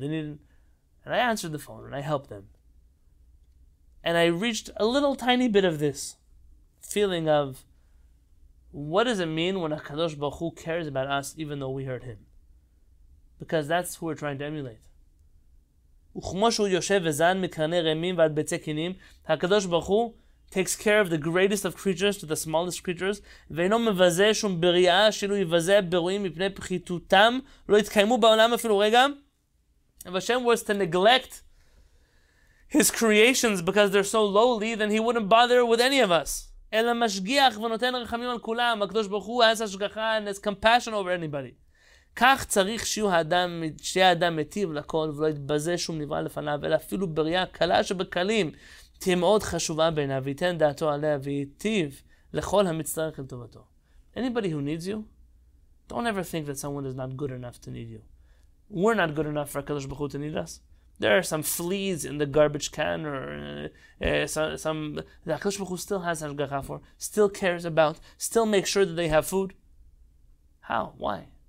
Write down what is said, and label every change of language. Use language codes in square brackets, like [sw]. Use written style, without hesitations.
[en] They need, and I answered the phone and I helped them. And I reached a little tiny bit of this feeling of, what does it mean when HaKadosh Baruch Hu cares about us even though we hurt him? Because that's who we're trying to emulate. [he] וכמו שהוא יושב וזן מקרני רמים ועד ביצי קינים, הקדוש ברוך הוא [en] takes care of the greatest of creatures to the smallest creatures, [he] ואינו מבזה שום בריאה שאילו יבזה ברואים מפני פחיתותם, לא יתקיימו בעולם אפילו רגע. [en] והשם was to neglect his creations because they're so lowly, then he wouldn't bother with any of us. [he] אלא משגיח ונותן רחמים על כולם, הקדוש ברוך הוא has השגחה [en] and has compassion over anybody. [he] כך צריך שיהיו האדם, שיהיה האדם מטיב לכל ולא יתבזה שום נברא לפניו, אלא אפילו בריאה קלה שבקלים תהיה מאוד חשובה בעיניו, ויתן דעתו עליה ויטיב לכל המצטרך לטובתו. [en] Anybody who needs you, don't ever think that someone is not good enough to need you. We're not good enough for HaKadosh Baruch Hu to need us. There are some fleas in the garbage can or some that HaKadosh Baruch Hu still has hashgacha for, still cares about, still makes sure that they have food. How? Why?